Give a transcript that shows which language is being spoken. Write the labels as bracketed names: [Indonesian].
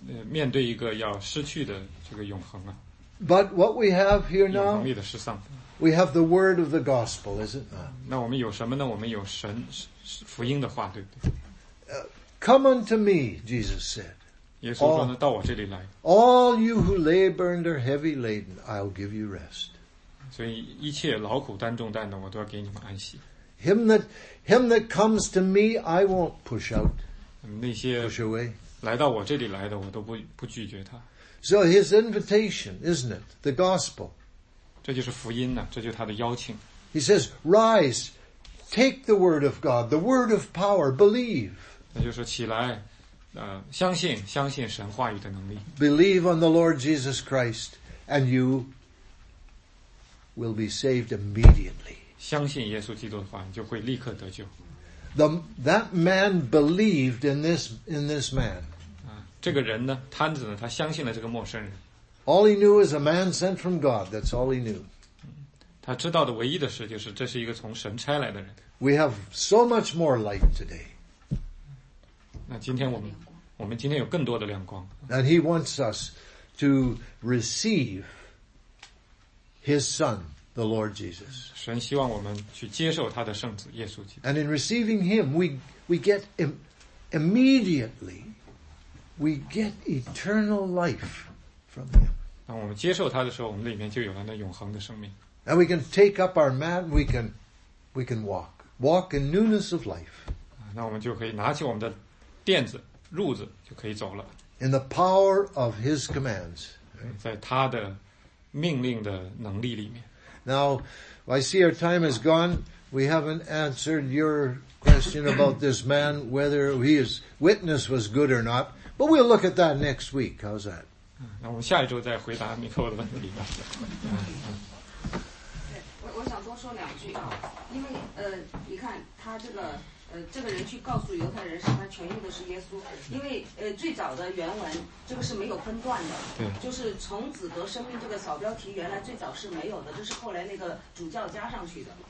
[Chinese] 面对一个要失去的这个永恒啊 [English] But what we have here now [Chinese] 永恒里的失丧 [English] We have the word of the gospel, is it not? [Chinese] 那我们有什么呢？我们有神福音的话，对不对？ [English] Come unto me, Jesus said [Chinese] 耶稣说呢，到我这里来 [English] All you who labor and are heavy laden, I'll give you rest [Chinese] 所以一切劳苦担重担的我都要给你们安息 [English] Him that comes to me, I won't push out. [Chinese] 那些 [English] push away [Chinese] 来到我这里来的，我都不拒绝他。 [English] So his invitation, isn't it? The gospel. [Chinese] 这就是福音呐，这就是他的邀请。 [English] He says, "Rise, take the word of God, the word of power. Believe." [Chinese] 那就是起来，相信神话语的能力。 [English] Believe on the Lord Jesus Christ, and you will be saved immediately. [Chinese] 相信耶稣基督的话，你就会立刻得救。 [English] That man believed in this man. [Chinese] 这个人呢，摊子呢，他相信了这个陌生人。 [English] All he knew is a man sent from God. That's all he knew. [Chinese] 他知道的唯一的事就是，这是一个从神差来的人。 [English] We have so much more light today. [Chinese] 那今天我们今天有更多的亮光。 [English] And he wants us to receive his son. The Lord Jesus. [Chinese] 神希望我们去接受他的圣子耶稣基督。 [English] And in receiving Him, we get immediately, we get eternal life from Him. [Chinese] 当我们接受他的时候，我们里面就有了那永恒的生命。 [English] And we can take up our mat, we can walk in newness of life. [Chinese] 那我们就可以拿起我们的垫子、褥子，就可以走了。 [English] In the power of His commands. [Chinese] 在他的命令的能力里面。 [English] Now, I see our time is gone. We haven't answered your question about this man, whether his witness was good or not. But we'll look at that next week. How's that? [Chinese] 那我们下一周再回答你给我的问题吧。对，我想多说两句啊，因为你看他这个人去告诉犹太人，使他痊愈的是耶稣，因为最早的原文这个是没有分段的，就是从子得生命这个扫标题原来最早是没有的，这是后来那个主教加上去的。